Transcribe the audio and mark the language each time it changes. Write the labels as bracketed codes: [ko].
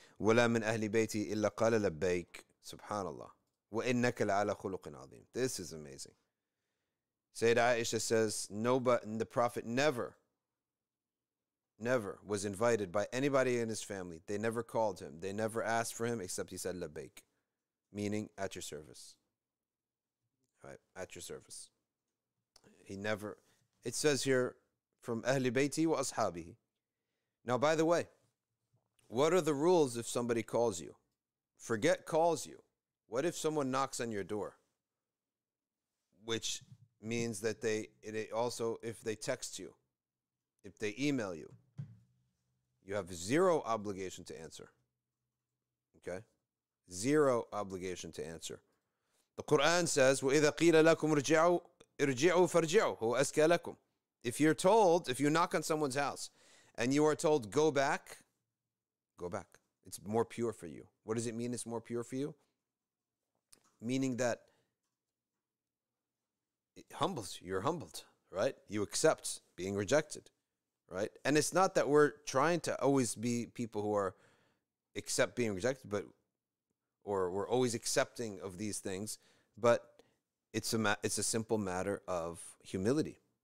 [ar] ولا من أهل بيتي إلا قال لبيك سبحان الله وإنك لعلى خلق عظيم. [en] This is amazing. Sayyidah Aisha says, the Prophet never was invited by anybody in his family. They never called him. They never asked for him, except he said, labbaik, meaning at your service. Right, at your service. It says here, from Ahli Bayti wa Ashabihi. Now, by the way, what are the rules if somebody calls you? Forget calls you. What if someone knocks on your door? Which means that if they text you, if they email you, you have zero obligation to answer. Okay? Zero obligation to answer. The Quran says, [ar] وَإِذَا قِيلَ لَكُمْ ارْجِعُوا فَارْجِعُوا هُوَ أَزْكَى لَكُمْ. [en] If you're told, if you knock on someone's house and you are told, go back. It's more pure for you. What does it mean it's more pure for you? Meaning that it humbles you. You're humbled, right? You accept being rejected, right? And it's not that we're trying to always be people who are accept being rejected, or we're always accepting of these things, but it's a simple matter of humility.